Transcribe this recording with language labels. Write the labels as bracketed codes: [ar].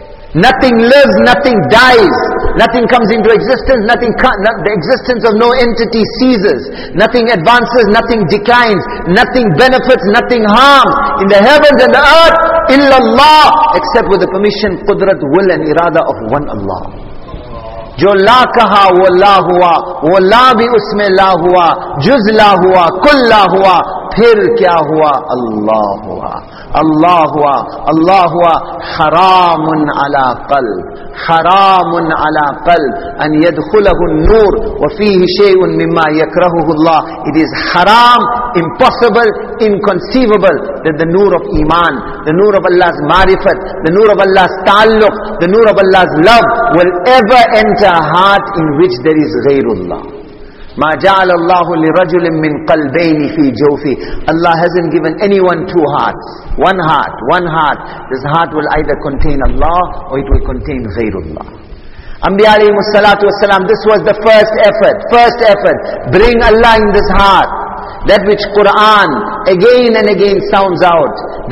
[en] Nothing lives, nothing dies. Nothing comes into existence, the existence of no entity ceases. Nothing advances, nothing declines. Nothing benefits, nothing harms. In the heavens and the earth, illallah, except with the permission, qudrat, will and irada of one Allah. [ur] جو لا کہا وہ لا ہوا وہ لا بھی اس میں لا ہوا جز لا ہوا کل لا ہوا پھر کیا ہوا اللہ ہوا اللہ ہوا اللہ ہوا [ar] حرام علی قلب حرام علی قلب ان يدخله النور وفيه شيء مما يكرهه الله. [en] It is haram, impossible, inconceivable that the nur of iman, the nur of Allah's marifat, the nur of Allah's taluq, the nur of Allah's love will ever enter a heart in which there is ghairullah. [ar] ما جعل الله لرجل من قلبين في جوفه. [en] Allah hasn't given anyone two hearts. One heart, one heart. This heart will either contain Allah or it will contain ghairullah. Anbiya alayhi salatu wasalam, this was the first effort. Bring Allah in this heart. That which Quran again and again sounds out.